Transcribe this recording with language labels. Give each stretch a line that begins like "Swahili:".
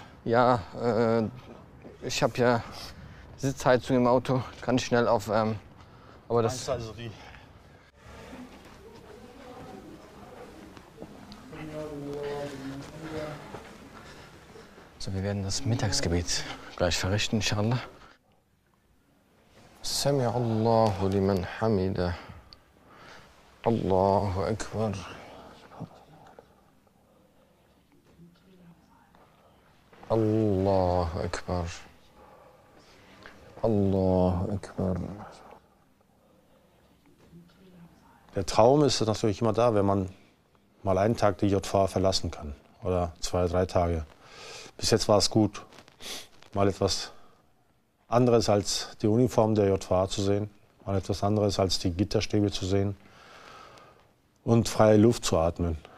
German: Ja, ich habe ja Sitzheizung im Auto. Kann ich schnell auf. Aber das. Also die. So, wir werden das Mittagsgebet gleich verrichten, inshallah.
Arabic: سمع الله لمن حمده الله أكبر الله أكبر الله أكبر.
German: Der Traum ist natürlich immer da, wenn man mal einen Tag die JVA verlassen kann oder zwei, drei Tage. Bis jetzt war es gut, mal etwas anderes als die Uniform der JVA zu sehen, mal etwas anderes als die Gitterstäbe zu sehen und freie Luft zu atmen.